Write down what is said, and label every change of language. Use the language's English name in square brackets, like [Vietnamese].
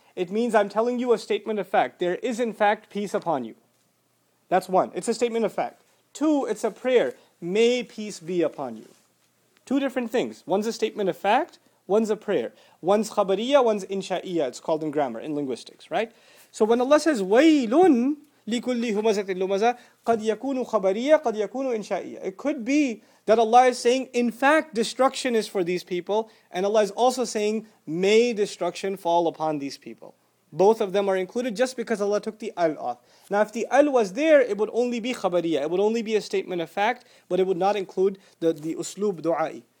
[English] It means I'm telling you a statement of fact. There is in fact peace upon you. That's one. It's a statement of fact. Two, it's a prayer. May peace be upon you. Two different things. One's a statement of fact, one's a prayer. One's khabariya, one's insha'iyya, it's called in grammar, in linguistics, right? So when Allah says, [Arabic] وَيْلٌ لِكُلِّ هُمَزَةٍ لُمَزَةٍ قَدْ يَكُونُ خَبَرِيَّ قَدْ يَكُونُ إِنْشَائِيَّ. [English] It could be that Allah is saying, in fact, destruction is for these people. And Allah is also saying, may destruction fall upon these people. Both of them are included just because Allah took the al off. Now if the al was there, it would only be khabariya. It would only be a statement of fact, but it would not include the uslub du'ai.